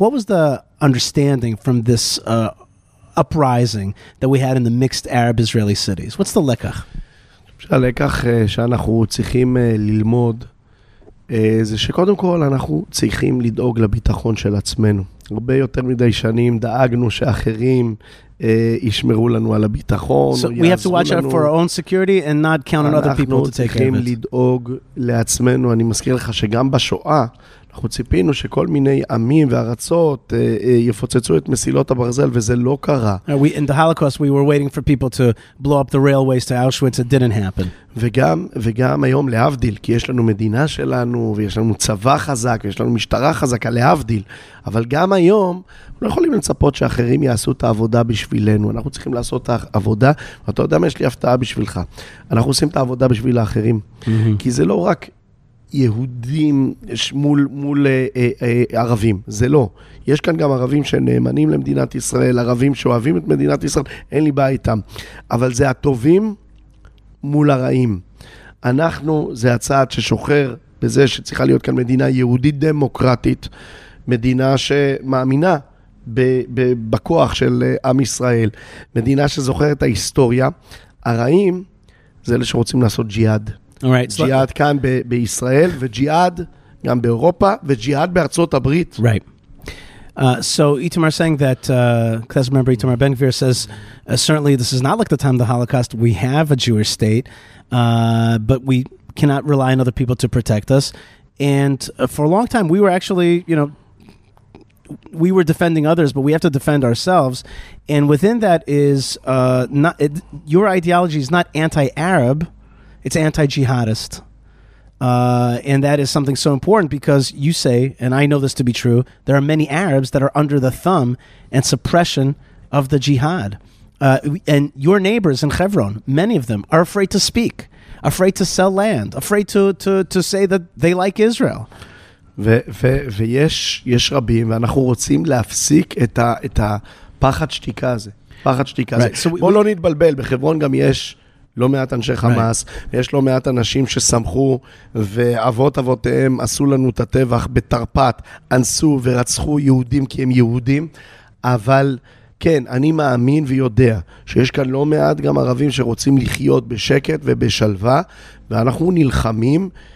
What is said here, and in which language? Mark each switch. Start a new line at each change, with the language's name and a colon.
English: What was the understanding from this uprising that we had in the mixed Arab-Israeli cities? What's the lekach?
Hebrew: הלקח שאנחנו צריכים ללמוד זה שקודם כל אנחנו צריכים לדאוג לביטחון של עצמנו. הרבה יותר מדי שנים דאגנו שאחרים ישמרו לנו על הביטחון.
English: So we have to watch out for our own security and not count on other people to take care of it.
Hebrew: אנחנו צריכים לדאוג לעצמנו. אני מזכיר לך שגם בשואה אנחנו ציפינו שכל מיני עמים וארצות יפוצצו את מסילות הברזל, וזה לא קרה.
English: In the Holocaust, we were waiting for people to blow up the railways to Auschwitz. It didn't happen.
Hebrew: וגם היום, להבדיל, כי יש לנו מדינה שלנו, ויש לנו צבא חזק, ויש לנו משטרה חזקה, להבדיל. אבל גם היום, אנחנו לא יכולים לצפות שאחרים יעשו את העבודה בשבילנו. אנחנו צריכים לעשות את העבודה, ואתה יודע מה, יש לי הפתעה בשבילך. אנחנו עושים את העבודה בשביל האחרים. כי זה לא רק יהודים מול ערבים, זה לא. יש כאן גם ערבים שנאמנים למדינת ישראל, ערבים שאוהבים את מדינת ישראל, אין לי בעיה איתם. אבל זה הטובים מול הרעים. אנחנו, זה הצעד ששוחר בזה שצריכה להיות כאן מדינה יהודית דמוקרטית, מדינה שמאמינה בכוח של עם ישראל, מדינה שזוכרת את ההיסטוריה. הרעים זה אלה שרוצים לעשות ג'יהאד.
English: All right,
Hebrew: so ג'יהאד כאן בישראל, וג'יהאד גם באירופה, וג'יהאד בארצות הברית.
English: Right. So Itamar saying that, let's remember Itamar Ben-Gvir says, certainly this is not like the time of the Holocaust. We have a Jewish state, but we cannot rely on other people to protect us. And for a long time, we were actually, you know, we were defending others, but we have to defend ourselves. And within that is, your ideology is not anti-Arab, it's anti-jihadist. And that is something so important because you say, and I know this to be true, there are many Arabs that are under the thumb and suppression of the jihad. And your neighbors in Hebron, many of them, are afraid to speak, afraid to sell land, afraid to say that they like Israel.
Hebrew: ויש רבים, ואנחנו רוצים להפסיק את הפחד שתיקה הזה. פחד שתיקה הזה. בוא לא נתבלבל, בחברון גם יש לא מעט אנשי חמאס, יש לא מעט אנשים ששמחו ואבות אבותיהם עשו לנו את הטבח בתרפת, אנסו ורצחו יהודים כי הם יהודים, אבל כן, אני מאמין ויודע שיש כאן לא מעט גם ערבים שרוצים לחיות בשקט ובשלווה, ואנחנו נלחמים